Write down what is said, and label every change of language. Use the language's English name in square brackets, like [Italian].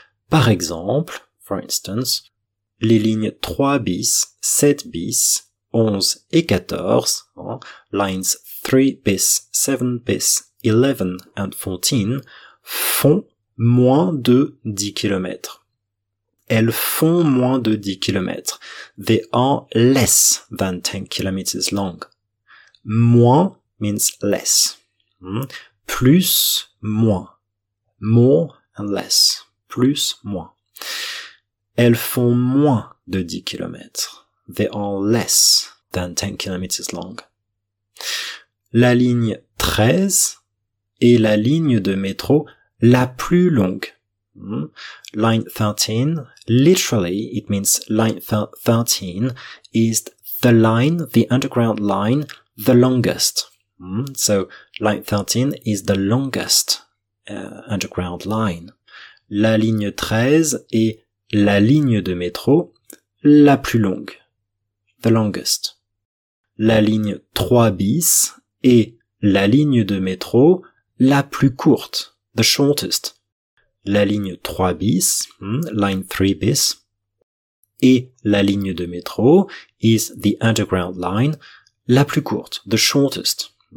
[French] Par exemple, [English] for instance, [French] les lignes 3 bis, 7 bis, 11 et 14, [English] lines 3 bis, 7 bis, 11 and 14, [French] font moins de 10 kilomètres. Elles font moins de 10 kilomètres. [English] They are less than 10 kilometers long. Moins means less. Plus, moins. More and less. Plus, moins. [French] Elles font moins de 10 kilomètres. [English] They are less than 10 kilometers long. [French] La ligne 13 est la ligne de métro la plus longue. [English] Line 13, literally, it means line 13 is the line, the underground line, the longest. So, line 13 is the longest underground line. [French] La ligne 13 est la ligne de métro la plus longue, [English] the longest. [French] La ligne 3 bis est la ligne de métro la plus courte, [English] the shortest. [French] La ligne 3 bis, [English] line 3 bis, [French] et la ligne de métro [English] is the underground line [French] la plus courte, [English] the shortest.